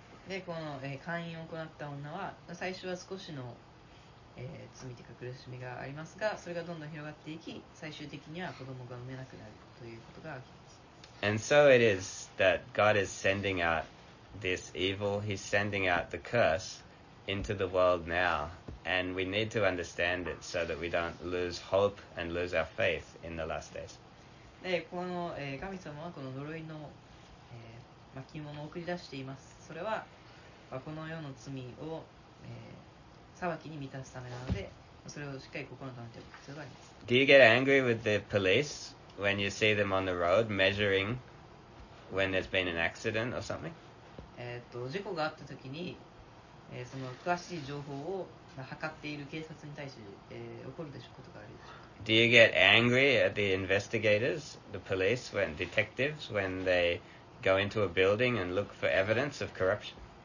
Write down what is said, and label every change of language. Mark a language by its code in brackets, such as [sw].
[ja] でこの姦淫を行った女は最初は少しの、罪というか苦しみがありますがそれがどんどん広がっていき最終的には子供が産めなくなるということが起きます。 [en] And so it is that God is sending out this evil. He's sending out the curse into the world now And we need to understand it so that we don't lose hope and lose our faith in the last days. [ja] この、神様はこの呪いの、巻物を送り出しています。それは、この世の罪を、裁きに満たすためなので、それをしっかり心に留めておく必要があります。 [en] Do you get angry with the police when you see them on the road measuring when there's been an accident or something? [ja] 事故があった時に、その詳しい情報を測っている警察に対して、怒るでしょうことがあるでしょうか。 [en] Do you get angry at the investigators, the police, when detectives, when they go into a building and look for evidence of corruption?